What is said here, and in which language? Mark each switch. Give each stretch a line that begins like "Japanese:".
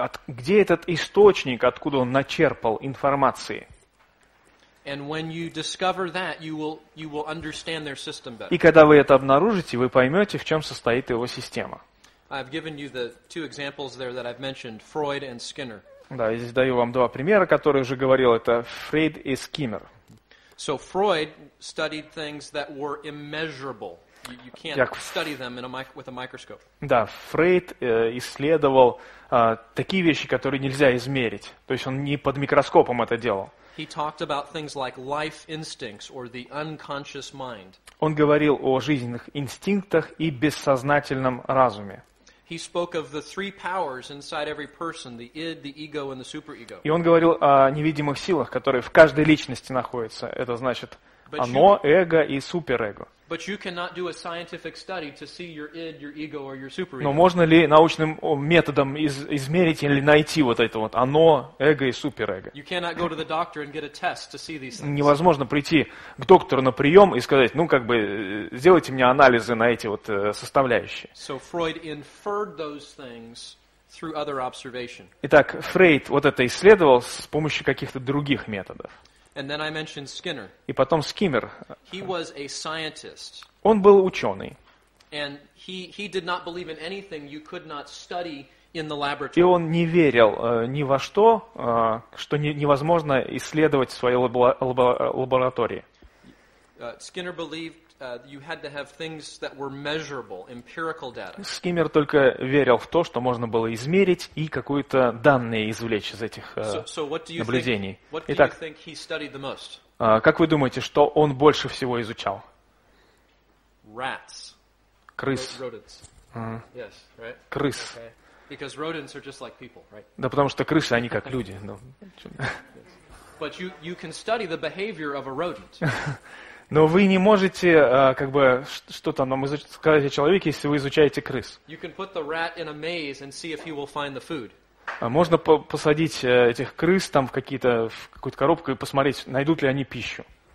Russian: Где этот источник, откуда он начерпал информации?
English: And when you discover that, you will understand their system better.
Russian: И когда вы это обнаружите, вы поймете, в чем состоит его система.
English: I've given you the two examples there that I've mentioned, Freud and Skinner.
Russian: Да, я здесь даю вам два примера, которые уже говорил, это Фрейд и Скиннер.
English: So Freud studied things that were immeasurable. You can't study them with a microscope.
Russian: Да, Фрейд исследовал такие вещи, которые нельзя измерить. То есть он не под микроскопом это делал.
English: He talked about things like life instincts or the unconscious mind.
Russian: Он говорил о жизненных инстинктах и бессознательном разуме.
English: He spoke of the three powers inside every person, the id, the ego, and the superego.
Russian: И он говорил о невидимых силах, которые в каждой личности находятся. Это значит оно, эго и суперэго.
English: But you cannot do a scientific study to see your id, your ego, or your superego.
Russian: Но можно ли научным методом измерить или найти вот это вот оно, эго и суперэго?
English: You cannot go to the doctor and get a test to see these things.
Russian: Невозможно прийти к доктору на прием и сказать, ну как бы сделайте мне анализы на эти вот составляющие.
English: So Freud inferred those things through other observation.
Russian: Итак, Фрейд вот это исследовал с помощью каких-то других методов.
English: And then I mentioned Skinner.
Russian: И потом Скиннер.
English: He was a scientist.
Russian: Он был ученый.
English: And he did not believe in anything you could not study in the laboratory.
Russian: И он не верил ни во что, что невозможно исследовать в своей лаборатории.
English: Skinner believed you had to have things that were measurable, empirical data.
Russian: Скиннер только верил в то, что можно было измерить и какую-то данные извлечь из этих наблюдений.
English: Итак, you think he studied the most?
Russian: Как вы думаете, что он больше всего изучал?
English: Rats.
Russian: Крыс.
English: Rodents. Yes, right?
Russian: Крыс.
English: Okay. Because rodents are just like people, right?
Russian: Да, потому что крысы, они как люди.
English: But you can study the behavior of a rodent.
Russian: Но вы не можете как бы что-то нам сказать о человеке, если вы изучаете крыс. Можно посадить этих крыс там в какую-то коробку и посмотреть, найдут ли они пищу.